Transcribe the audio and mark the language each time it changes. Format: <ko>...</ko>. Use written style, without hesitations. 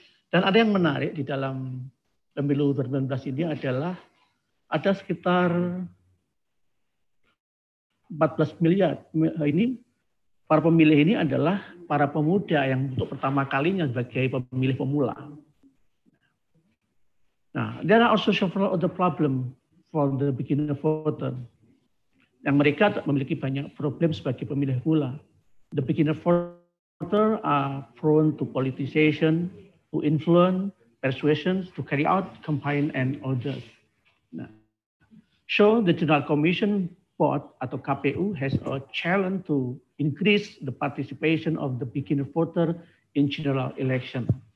<id>Dan ada yang menarik di dalam pemilu 2019 ini adalah ada sekitar 14 miliar ini para pemilih ini adalah para pemuda yang untuk pertama kalinya sebagai pemilih pemula.</id> <en>Nah, there are also several other problem for the beginner voter.</en> <id>Yang mereka memiliki banyak problem sebagai pemilih pula.</id> <en>The beginner voter are prone to politicization, to influence, persuasion, to carry out campaign and others. Nah. So the General Commission Board</en> <id>atau</id> <en>KPU has a challenge to increase the participation of the beginner voter in general election.</en>